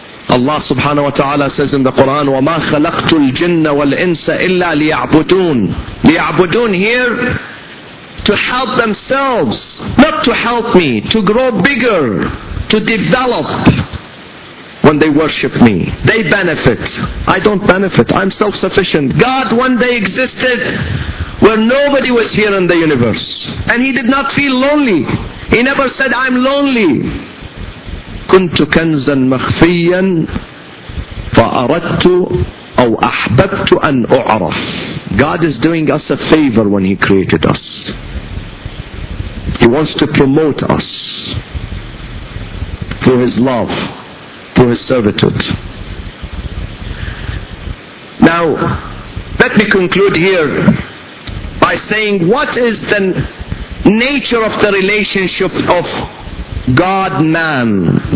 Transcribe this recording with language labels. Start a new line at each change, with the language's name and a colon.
English: Allah subhanahu wa ta'ala says in the Quran,
Arabic: وَمَا خَلَقْتُ الْجِنَّ وَالْإِنسَ إِلَّا لِيَعْبُدُونَ لِيَعْبُدُونَ
English: here, to help themselves, not to help me, to grow bigger, to develop. When they worship me, they benefit. I don't benefit. I'm self-sufficient. God, when they existed, where nobody was here in the universe, and He did not feel lonely. He never said, I'm lonely.
Arabic: كنت كنزا مخفيا فأردت أو أحببت أن أعرف.
English: God is doing us a favor when He created us. He wants to promote us through His love, through His servitude. Now, let me conclude here by saying, what is the nature of the relationship of God-man?